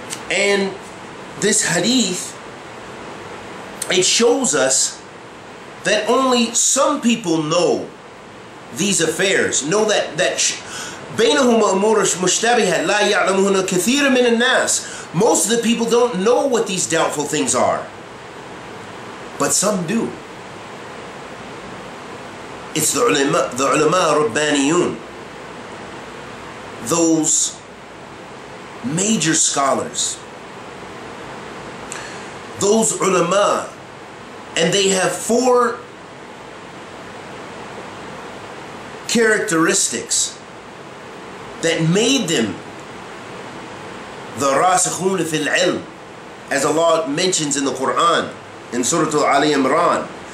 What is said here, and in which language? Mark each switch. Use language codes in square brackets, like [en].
[en] And this hadith, it shows us that only some people know these affairs. Know that [ar] بَيْنَهُمَ أُمُورٌ مُشْتَبِهَةٌ لَا يَعْلَمُهُنَّ كَثِيرٌ مِنَ النَّاسِ. [en] Most of the people don't know what these doubtful things are, but some do. It's the ulama rabbaniyun, those major scholars, those ulama, and they have four characteristics that made them the [ar] rasikhun fil ilm, [en] as Allah mentions in the Quran, in Surah Ali Imran.